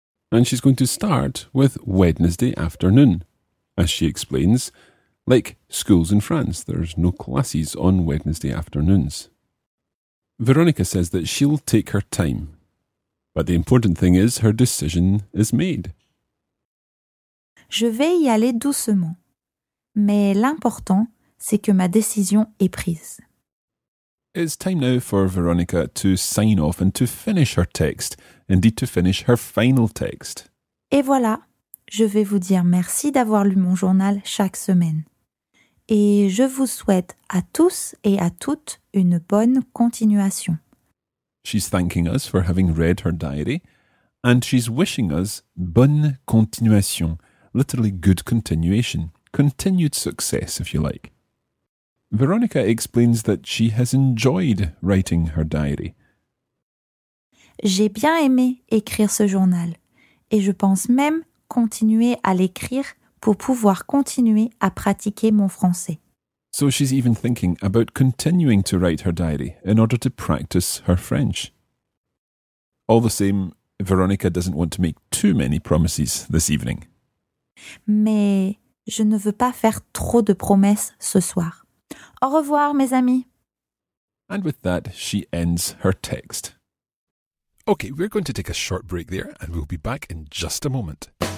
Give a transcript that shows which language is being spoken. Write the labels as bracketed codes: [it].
[en] And she's going to start with Wednesday afternoon. As she explains, like schools in France, there's no classes on Wednesday afternoons. Veronica says that she'll take her time. But the important thing is her decision is made. [fr] Je vais y aller doucement. Mais l'important, c'est que ma décision est prise. [en] It's time now for Veronica to sign off and to finish her text, indeed to finish her final text. [fr] Et voilà, je vais vous dire merci d'avoir lu mon journal chaque semaine. Et je vous souhaite à tous et à toutes une bonne continuation. [en] She's thanking us for having read her diary and she's wishing us [fr] bonne continuation, [en] literally good continuation, continued success if you like. Veronica explains that she has enjoyed writing her diary. [fr] J'ai bien aimé écrire ce journal et je pense même continuer à l'écrire pour pouvoir continuer à pratiquer mon français. [en] So she's even thinking about continuing to write her diary in order to practice her French. All the same, Veronica doesn't want to make too many promises this evening. [fr] Mais je ne veux pas faire trop de promesses ce soir. Au revoir, mes amis. [en] And with that, she ends her text. Okay, we're going to take a short break there and we'll be back in just a moment.